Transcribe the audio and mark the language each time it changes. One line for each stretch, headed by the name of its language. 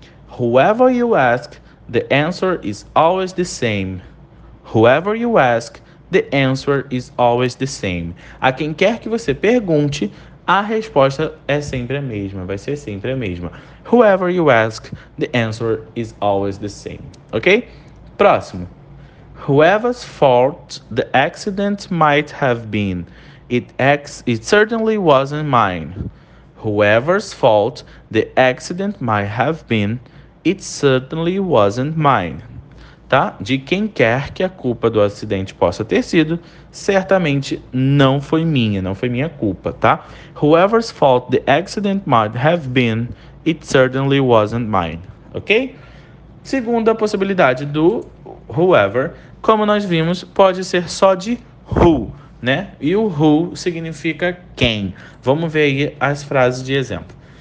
English: Whoever you ask, the answer is always the same. Whoever you ask, the answer is always the same.
Portuguese: A quem quer que você pergunte, a resposta é sempre a mesma. Vai ser sempre a mesma.
English: Whoever you ask, the answer is always the same.
Portuguese: Ok? Próximo.
English: Whoever's fault the accident might have been, it certainly wasn't mine. Whoever's fault the accident might have been, it certainly wasn't mine.
Portuguese: Tá? De quem quer que a culpa do acidente possa ter sido, certamente não foi minha, não foi minha culpa, tá?
English: Whoever's fault the accident might have been, it certainly wasn't mine.
Portuguese: Ok? Segunda possibilidade do whoever, como nós vimos, pode ser só de who, né? E o who significa quem. Vamos ver aí as frases de exemplo.